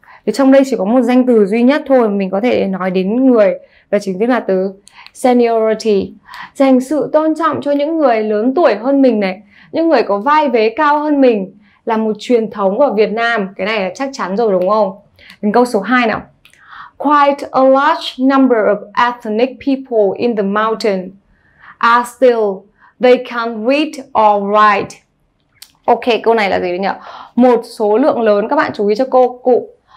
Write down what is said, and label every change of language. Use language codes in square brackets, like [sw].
[vi] Thì trong đây chỉ có một danh từ duy nhất thôi mình có thể nói đến người, và chính tiếng là từ seniority. Dành sự tôn trọng cho những người lớn tuổi hơn mình này, những người có vai vế cao hơn mình là một truyền thống của Việt Nam. Cái này là chắc chắn rồi đúng không? Đến câu số 2 nào. [en] Quite a large number of ethnic people in the mountain are still, they can't read or write. [vi] Ok, câu này là gì đấy nhỉ? Một số lượng lớn, các bạn chú ý cho cô cụ.